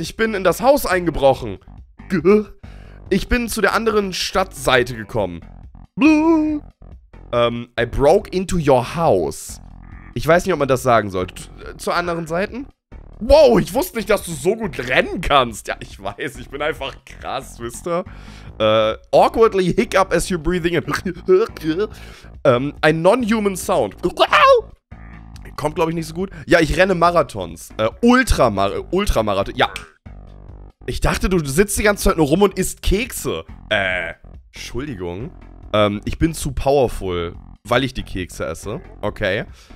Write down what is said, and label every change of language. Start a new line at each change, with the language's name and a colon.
German: Ich bin in das Haus eingebrochen. Ich bin zu der anderen Stadtseite gekommen.
English: I broke into your house.
German: Ich weiß nicht, ob man das sagen sollte. Zur anderen Seite? Wow, ich wusste nicht, dass du so gut rennen kannst. Ja, ich weiß, ich bin einfach krass, wisst ihr?
English: Awkwardly hiccup as you're breathing in. ein non-human sound.
German: Kommt, glaube ich, nicht so gut. Ja, ich renne Marathons. Ultramarathon. Ja. Ich dachte, du sitzt die ganze Zeit nur rum und isst Kekse. Entschuldigung. Ich bin zu powerful, weil ich die Kekse esse. Okay.